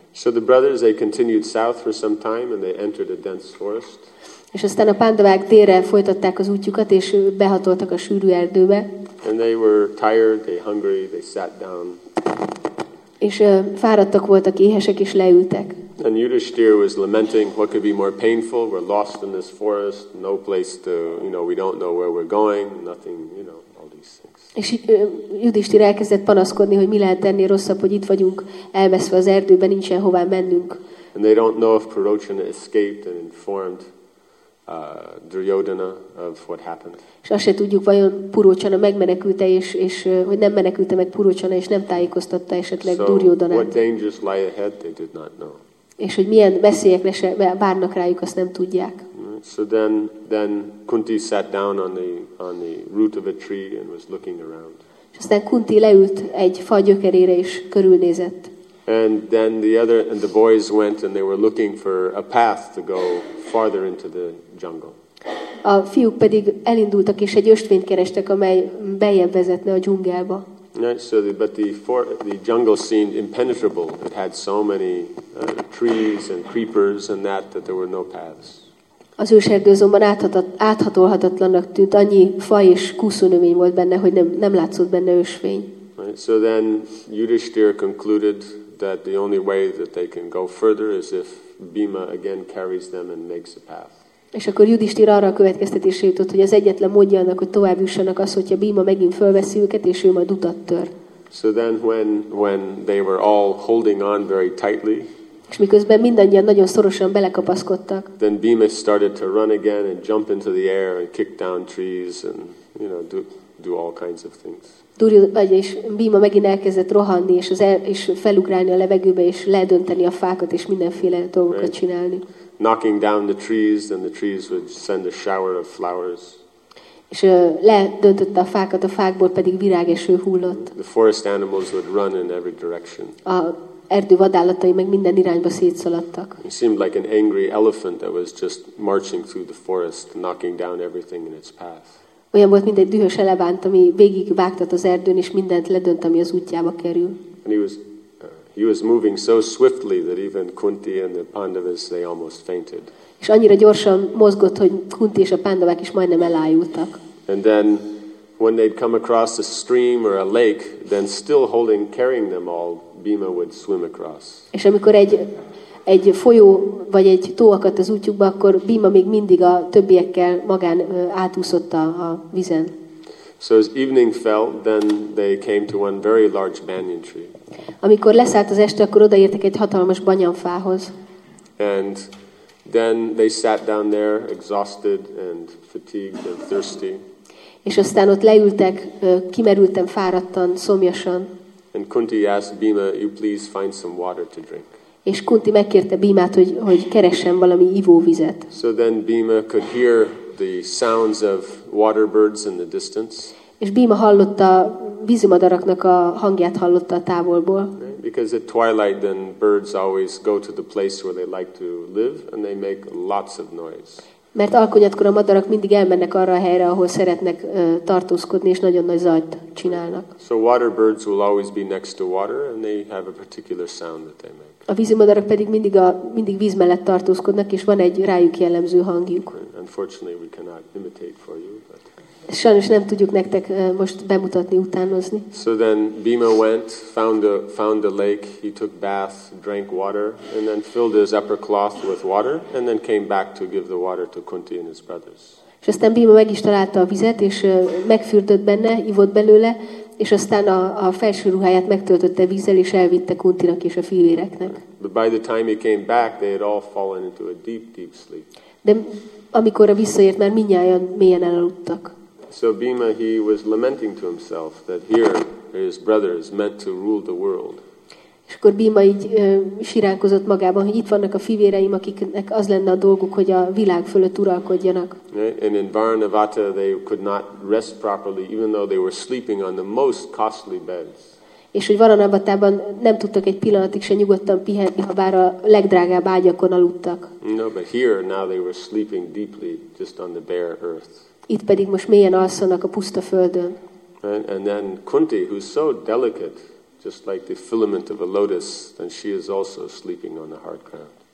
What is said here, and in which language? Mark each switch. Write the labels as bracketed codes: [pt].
[en] So the brothers, they continued south for some time, and they entered a dense forest. [hu] És aztán a pándavák délre folytatták az útjukat, és behatoltak a sűrű erdőbe. [en] And they were tired, they hungry, they sat down. [hu] És fáradtak voltak, éhesek, és leültek. [en] And Yudhishthira was lamenting, what could be more painful? We're lost in this forest, no place to, you know, we don't know where we're going, nothing, you know, all these things. [hu] És Yudhishthira elkezdett panaszkodni, hogy mi lehet ennél rosszabb, hogy itt vagyunk, elveszve az erdőben, nincsen hová mennünk. [en] And they don't know if Purochana escaped and informed Duryodhana of what happened. [hu] És azt se tudjuk, vajon Purochana megmenekült-e, és hogy nem menekült-e meg Purochana, és nem tájékoztatta esetleg Duryodhanát. [en] So what dangers lie ahead, they did not know. [hu] És hogy milyen veszélyekre se várnak rájuk, azt nem tudják. [en] So then Kunti sat down on the root of a tree and was looking around. [hu] És aztán Kunti leült egy fa gyökerére és körülnézett. [en] And then the boys went and they were looking for a path to go farther into the jungle. [hu] A fiúk pedig elindultak és egy ösvényt kerestek, amely beljebb vezetne a dzsungelbe. [en] Right, so the jungle seemed impenetrable. It had so many trees and creepers and that there were no paths. [hu] Az őserdő azonban áthatolhatatlannak tűnt. Annyi fa és kúszónövény volt benne, hogy nem látszott benne ösvény. [en] Right, so then Yudhishthira concluded that the only way that they can go further is if Bhima again carries them and makes a path. [hu] És akkor Yudhishthira arra a következtetésre jutott, hogy az egyetlen módja annak, hogy tovább jussanak, az, hogyha Bhima megint fölveszi őket, és ő majd utat tör. [en] So then when they were all holding on very tightly, [hu] és miközben mindannyian nagyon szorosan belekapaszkodtak, [en] then Bhima started to run again and jump into the air and kick down trees and, you know, do all kinds of things. [hu] És Bhima megint elkezdett rohanni és és felugrálni a levegőbe és ledönteni a fákat és mindenféle dolgokat right. csinálni. [en] Knocking down the trees, then the trees would send a shower of flowers. [hu] És ledöntötte a fákat, a fákból pedig virágeső hullott. [en] The forest animals would run in every direction. [hu] A erdő vadállatai meg minden irányba szétszaladtak. [en] It seemed like an angry elephant that was just marching through the forest, knocking down everything in its path. [hu] Olyan volt, mint egy dühös elefánt, ami végig vágtat az erdőn, és mindent ledönt, ami az útjába kerül. [en] And he was moving so swiftly that even Kunti and the Pandavas, they almost fainted. [hu] És annyira gyorsan mozgott, hogy Kunti és a Pandavák is majdnem elájultak. [en] And then when they'd come across a stream or a lake, then still holding, carrying them all, Bhima would swim across. [hu] És amikor egy folyó vagy egy tó akadt az útjukba, akkor Bhima még mindig a többiekkel magán átúszott a vízen. [en] So as evening fell, then they came to one very large banyan tree. [hu] Amikor leszállt az este, akkor odaértek egy hatalmas banyanfához. [en] And then they sat down there, exhausted and fatigued and thirsty. [hu] És aztán ott leültek, kimerültem fáradtan, szomjasan. [en] And Kunti asked Bhima, "You please find some water to drink." [hu] És Kunti megkérte Bhimát, hogy keressen valami ivóvizet. [en] So then Bhima could hear the sounds of water birds in the distance. [hu] És Bhima hallotta vízimadaraknak a hangját hallotta a távolból. [en] Because at twilight then birds always go to the place where they like to live and they make lots of noise. [hu] Mert alkonyatkor a madarak mindig elmennek arra a helyre, ahol szeretnek tartózkodni és nagyon nagy zajt csinálnak. [en] So water birds will always be next to water and they have a particular sound that they make. [hu] A vízimadarak pedig mindig víz mellett tartózkodnak és van egy rájuk jellemző hangjuk. [en] Unfortunately we cannot imitate for you, but [hu] sajnos nem tudjuk nektek most bemutatni, utánozni. [en] So then Bhima went, found a lake, he took bath, drank water, and then filled his upper cloth with water, and then came back to give the water to Kunti and his brothers. [hu] És aztán Bhima meg is találta a vizet, és megfürdött benne, ivott belőle, és aztán a felső ruháját megtöltötte vízzel, és elvitte Kuntinak és a fivéreknek. [en] But by the time he came back, they had all fallen into a deep, deep sleep. [hu] De amikor visszaért, már mindnyájan mélyen elaludtak. [en] So Bhima, he was lamenting to himself that here his brother is meant to rule the world. [hu] És akkor Bhima így siránkozott magában, hogy itt vannak a fivéreim, akiknek az lenne a dolguk, hogy a világ fölött uralkodjanak. [en] And in Varnavata they could not rest properly, even though they were sleeping on the most costly beds. [hu] És hogy Varanavatában nem tudtak egy pillanatig se nyugodtan pihenni, ha bár a legdrágább ágyakon aludtak. [en] No, but here now they were sleeping deeply just on the bare earth. [hu] Itt pedig most mélyen alszanak a puszta földön. [en] And then Kunti, who's so delicate, just like the filament of a lotus, then she is also sleeping on the hard ground.